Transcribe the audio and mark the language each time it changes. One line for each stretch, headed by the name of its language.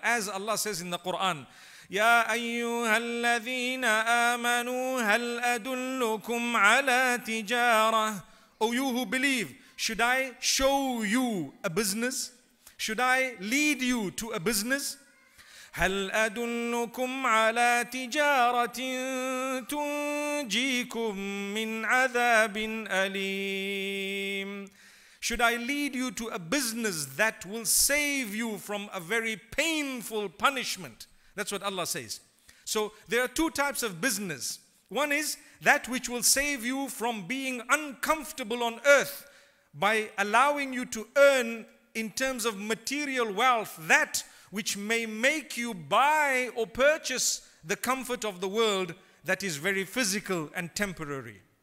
English: As Allah says in the Quran,
Arabic: يا أيها الذين آمنوا هل أدلكم على تجارة
English: O you who believe, should I show you a business? Should I lead you to a business?
Arabic: هل أدلكم على تجارة تنجيكم من عذاب أليم.
English: Should I lead you to a business that will save you from a very painful punishment? That's what Allah says. So there are two types of business. One is that which will save you from being uncomfortable on earth by allowing you to earn in terms of material wealth that which may make you buy or purchase the comfort of the world that is very physical and temporary.